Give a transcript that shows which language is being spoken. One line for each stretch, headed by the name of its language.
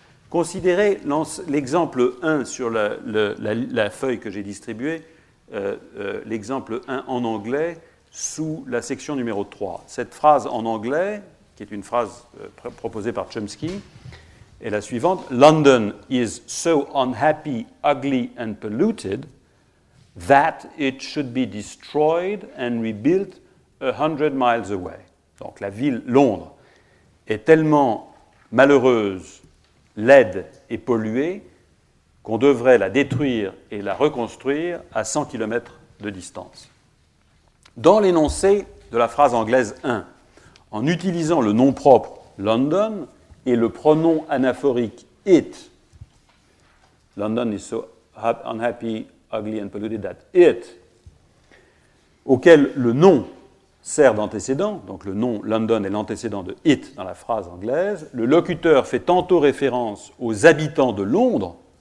French: Considérez l'exemple 1 sur la feuille que j'ai distribuée, l'exemple 1 en anglais sous la section numéro 3. Cette phrase en anglais, qui est une phrase proposée par Chomsky, est la suivante.
English: « London is so unhappy, ugly and polluted » that it should be destroyed and rebuilt 100 miles away.
French: Donc la ville Londres est tellement malheureuse, laide et polluée qu'on devrait la détruire et la reconstruire à 100 km de distance. Dans l'énoncé de la phrase anglaise 1, en utilisant le nom propre London et le pronom anaphorique it,
English: London is so unhappy, ugly and polluted that it,
French: auquel le nom sert d'antécédent, donc le nom London est l'antécédent de it dans la phrase anglaise, le locuteur fait tantôt référence aux habitants de Londres,